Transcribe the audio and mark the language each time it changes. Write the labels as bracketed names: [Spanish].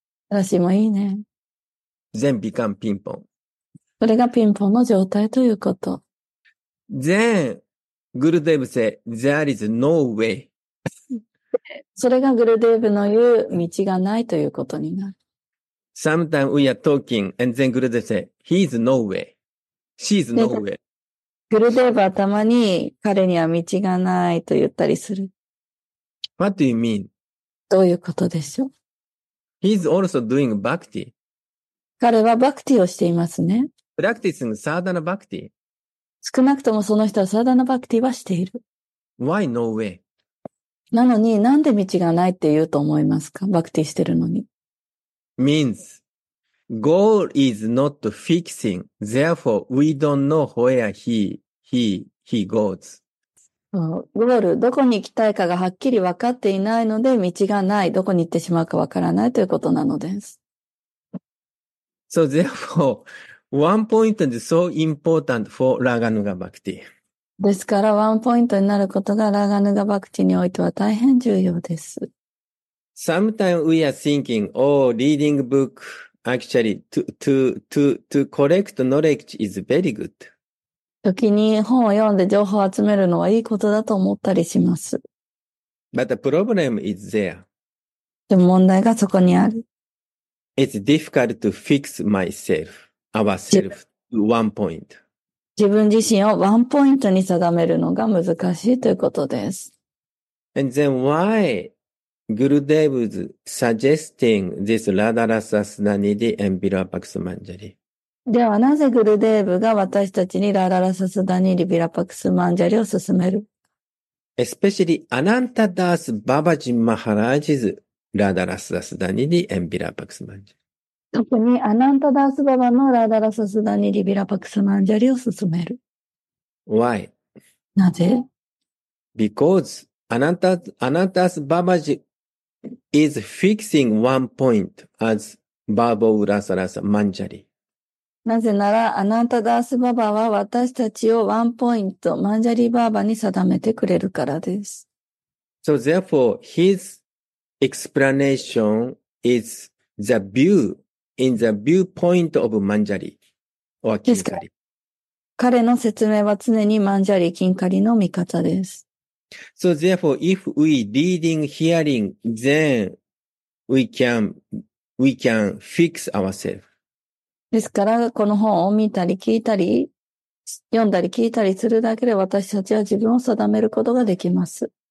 [Japanese] トラシもいいね。 [English] Then become ピンポン。 [Japanese] それがピンポンの状態ということ。 [English] Then, グルデーブ say, there is no way. [Japanese] それがグルデーブの言う道がないということになる。 [English] Sometimes we are talking, and then Gurudev say, he is no way. She is no way. [Japanese] Gurudev はたまに彼には道がないと言ったりする。 [English] What do you mean? [Japanese] どういうことでしょう? [English] He is also doing bhakti. [Japanese] 彼はバクティをしていますね。 [English] Practicing sadhana bhakti. [Japanese] 少なくともその人はsadhana bhaktiはしている。 [English] Why no way? [Japanese] なのになんで道がないって言うと思いますか? バクティしてるのに。 [English] Means, goal is not fixing, therefore we don't know where he goes. [Japanese] ゴール、どこに行きたいかがはっきり分かっていないので、道がない、どこに行ってしまうか分からないということなのです。 [English] So therefore, one point is so important for Raghunuga Bhakti. [Japanese] ですから、ワンポイントになることが Raghunuga Bhakti においては大変重要です。 [English] Sometimes we are thinking, oh, reading book, actually, to collect knowledge is very good. [Japanese] 時に本を読んで情報を集めるのはいいことだと思ったりします。 [English] But the problem is there. [Japanese] でも問題がそこにある。 [English] It's difficult to fix myself, ourself, one point. [Japanese] 自分自身をワンポイントに定めるのが難しいということです。 [English] And then why Gurudev is suggesting this Radha Rasa Sudhanidhi and Virapaks Manjari? [Japanese] ではなぜ Gurudev が私たちに Radha Rasa Sudhanidhi Virapaks Manjari を勧める [English] ?Especially Ananta Das Babaji Maharaj's Radha Rasa Sudhanidhi and Virapaks Manjari. [Japanese] 特にアナンタダースババのラダラススダニリビラパクスマンジャリを勧める。 [English] Why? [Japanese] なぜ [English] ?Because アナンタダースババジ is fixing one point as Baba Urasarasa Manjari. [Japanese] なぜならアナンタダースババは私たちをワンポイントマンジャリバーバに定めてくれるからです。 [English] So therefore, his explanation is the viewIn the viewpoint of Manjari or Kinkari. [Japanese] 彼の説明は常にマンジャリ、キンカリの見方です。 [English] So therefore, if we reading, hearing, then we can fix ourselves. [Japanese] ですから、この本を見たり聞いたり、読んだり聞いたりするだけで私たちは自分を定めることができます。